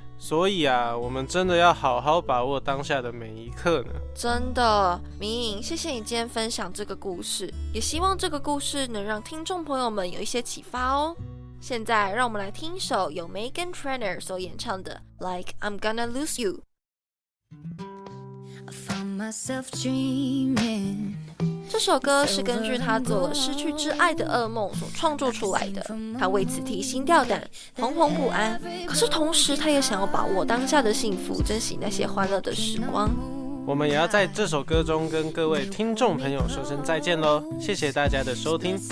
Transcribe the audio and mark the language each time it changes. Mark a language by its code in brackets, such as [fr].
[zh] 所以啊，我们真的要好好把握当下的每一刻呢。真的，明映，谢谢你今天分享这个故事，也希望这个故事能让听众朋友们有一些启发哦。现在让我们来听一首由 Megan Trainor 所演唱的 Like I'm Gonna Lose You。 [en] I found myself dreaming， [zh] 这首歌是根据他做了失去挚爱的噩梦所创作出来的，他为此提心吊胆，惶惶不安，可是同时他也想要把握当下的幸福，珍惜那些欢乐的时光。我们也要在这首歌中跟各位听众朋友说声再见咯，谢谢大家的收听。